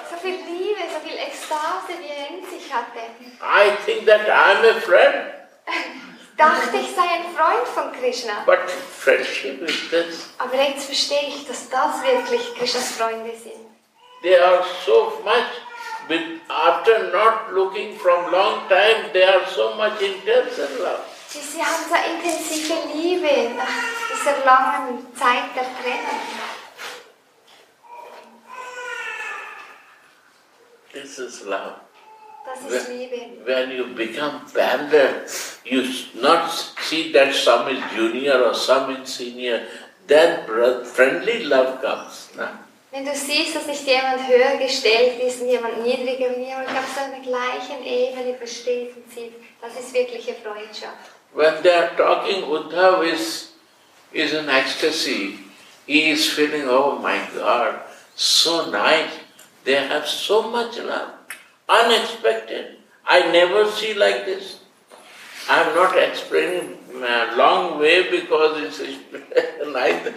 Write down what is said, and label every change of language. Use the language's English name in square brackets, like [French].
[German] So viel Liebe, so viel Ekstase, die er in sich hatte. [English] I think that I'm a friend. [German] Dachte ich, sei ein Freund von Krishna. [English] But friendship is this. [German] Aber jetzt verstehe ich, dass das wirklich Krishnas Freunde sind. [English] They are so much, after not looking from long time, they are so much intense in love. [German] Sie haben so intensive Liebe nach dieser langen Zeit der Trennung. [English] This is love. [German] Das ist Liebe. [English] When you become bander, you not see that some is junior or some is senior, then friendly love comes. No? [German] Wenn du siehst, dass nicht jemand höher gestellt ist und jemand niedriger und jemand auf so einer gleichen Ebene versteht und sieht, das ist wirkliche Freundschaft. [English] When they are talking, Uddhava is in ecstasy. He is feeling, oh my God, so nice. They have so much love. Unexpected. I never see like this. I am not explaining a long way because it's like that.